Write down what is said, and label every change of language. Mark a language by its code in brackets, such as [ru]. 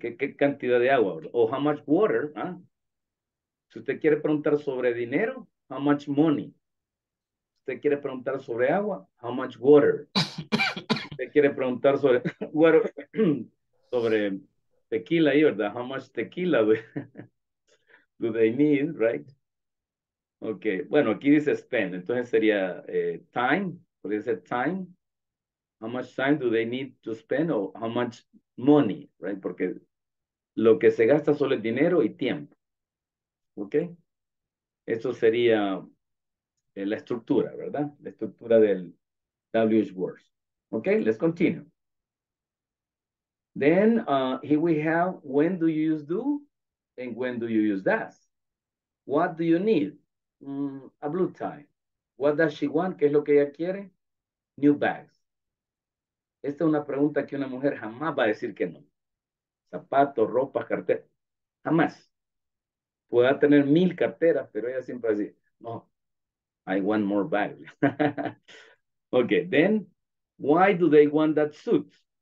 [es] ¿Qué cantidad de agua? O [en] how much water? [es] Si usted quiere preguntar sobre dinero, [en] how much money? [es] ¿Usted quiere preguntar sobre agua? [en] How much water? [es] quiere preguntar sobre sobre tequila, ¿verdad? [en] How much tequila do they need, right? [es] Okay, bueno, aquí dice spend, entonces sería time, podría ser time. [en] How much time do they need to spend or how much money, right? [es] Porque lo que se gasta solo es dinero y tiempo. Okay? Eso sería la estructura, ¿verdad? La estructura del WH words. [en] Okay, let's continue. Then here we have when do you use do and when do you use does. What do you need? A blue tie. What does she want? [es] ¿Qué es lo que ella quiere? [en] New bags. [es] Esta es una pregunta que una mujer jamás va a decir que no. Zapatos, ropa, cartera. Jamás. Pueda tener 1,000 carteras, pero ella siempre va a decir, no, [en] I want more bags. Okay, then, why do they want that suit?